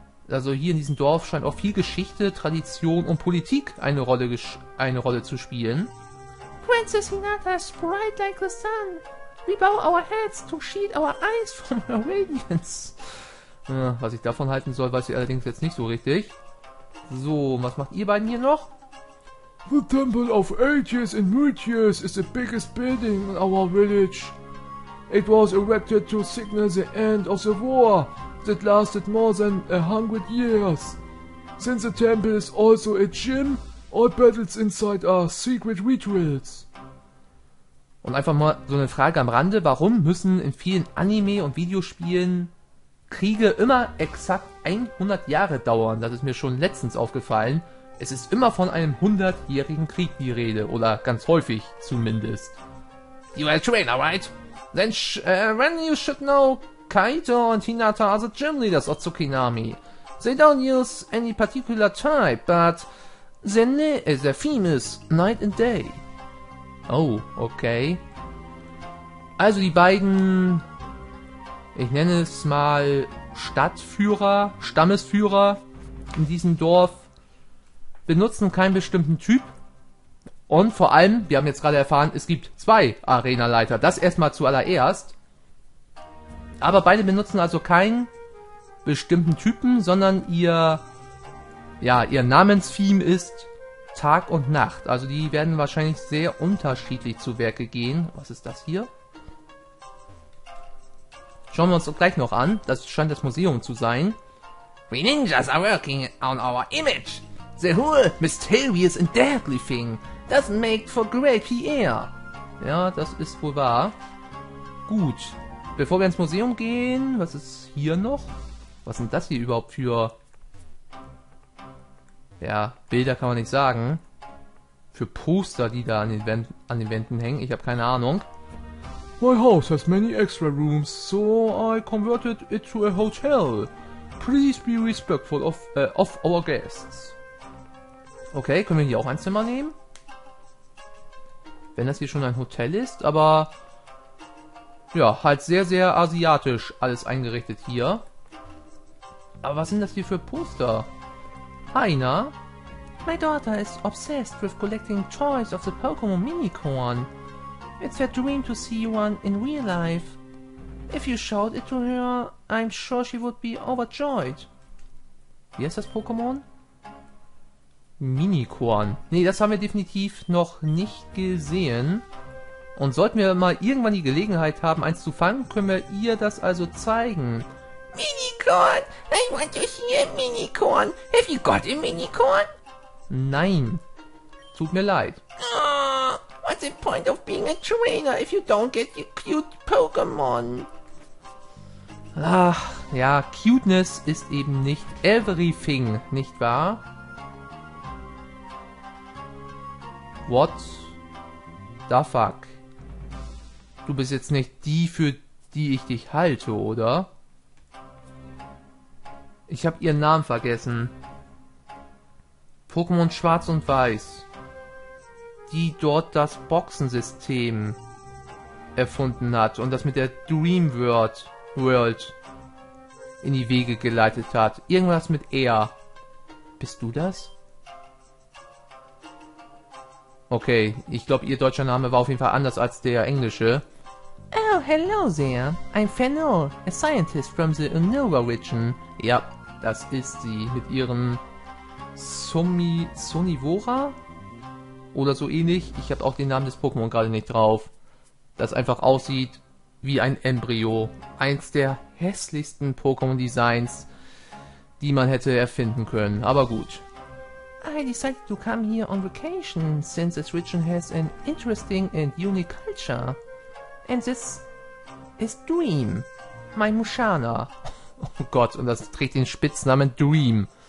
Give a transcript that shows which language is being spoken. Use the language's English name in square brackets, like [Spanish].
[German] Also hier in diesem Dorf scheint auch viel Geschichte, Tradition und Politik eine Rolle zu spielen. [English] Princess Hinata is bright like the sun. We bow our heads to shield our eyes from her radiance. [German] Ja, was ich davon halten soll, weiß ich allerdings jetzt nicht so richtig. So, was macht ihr beiden hier noch? [English] The Temple of Ages and Mutius is the biggest building in our village. It was erected to signal the end of the war that lasted more than 100 years. Since the temple is also a gym, all battles inside are secret rituals. [German] Und einfach mal so eine Frage am Rande, warum müssen in vielen Anime und Videospielen Kriege immer exakt 100 Jahre dauern? Das ist mir schon letztens aufgefallen. Es ist immer von einem 100-jährigen Krieg die Rede, oder ganz häufig zumindest. [English] You are a trainer, right? Then you should know, Kaito and Hinata are the gym leaders of Tsukinami. They don't use any particular type, but they're famous night and day. Oh, okay. [German] Also die beiden, ich nenne es mal Stadtführer, Stammesführer, in diesem Dorf benutzen keinen bestimmten Typ. Und vor allem, wir haben jetzt gerade erfahren, es gibt zwei Arena-Leiter. Das erstmal zuallererst. Aber beide benutzen also keinen bestimmten Typen, sondern ihr Namens-Theme ist Tag und Nacht. Also die werden wahrscheinlich sehr unterschiedlich zu Werke gehen. Was ist das hier? Schauen wir uns doch gleich noch an. Das scheint das Museum zu sein. [English] We ninjas are working on our image. The whole mysterious and deadly thing doesn't make for great PR. [German] Ja, das ist wohl wahr. Gut. Bevor wir ins Museum gehen, was ist hier noch? Was sind das hier überhaupt für... Ja, Bilder kann man nicht sagen. Für Poster, die da an den Wänden hängen. Ich habe keine Ahnung. [English] My house has many extra rooms, so I converted it to a hotel. Please be respectful of our guests. [German] Okay, können wir hier auch ein Zimmer nehmen? Wenn das hier schon ein Hotel ist, aber... Ja, halt sehr, sehr asiatisch alles eingerichtet hier. Aber was sind das hier für Poster? Heina? [English] My daughter is obsessed with collecting toys of the Pokémon Minicorn. It's her dream to see one in real life. If you showed it to her, I'm sure she would be overjoyed. [German] Wie heißt das Pokémon? Minicorn. Nee, das haben wir definitiv noch nicht gesehen. Und sollten wir mal irgendwann die Gelegenheit haben, eins zu fangen, können wir ihr das also zeigen. [English] Minicorn! I want to see a Minicorn! Have you got a Minicorn? [German] Nein. Tut mir leid. [English] What's the point of being a trainer if you don't get your cute Pokémon? [German] Ach, ja, Cuteness ist eben nicht everything, nicht wahr? [English] What the fuck? [German] Du bist jetzt nicht die, für die ich dich halte, oder? Ich hab ihren Namen vergessen. Pokémon Schwarz und Weiß. Die dort das Boxensystem erfunden hat und das mit der Dream World in die Wege geleitet hat. Irgendwas mit R. Bist du das? Okay, ich glaube, ihr deutscher Name war auf jeden Fall anders als der englische. [English] Oh, hello there. I'm Fennel, a scientist from the Unova region. [German] Ja, das ist sie mit ihrem Sonivora? Oder so ähnlich. Ich habe auch den Namen des Pokémon gerade nicht drauf. Das einfach aussieht wie ein Embryo. Eins der hässlichsten Pokémon-Designs, die man hätte erfinden können. Aber gut. [English] I decided to come here on vacation, since this region has an interesting and unique culture. And this is Dream, my Mushana. [German] Oh Gott, und das trägt den Spitznamen Dream.